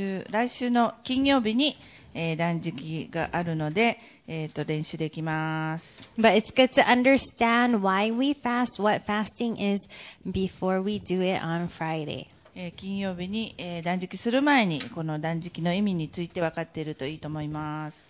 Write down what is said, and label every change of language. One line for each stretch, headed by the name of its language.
Japanese: 来週の金曜日に、断食があるので、練習できます。
English: But it's good to understand why we fast, what fasting is before we do it on Friday.
Japanese: 金曜日に、断食する前にこの断食の意味について分かっているといいと思います。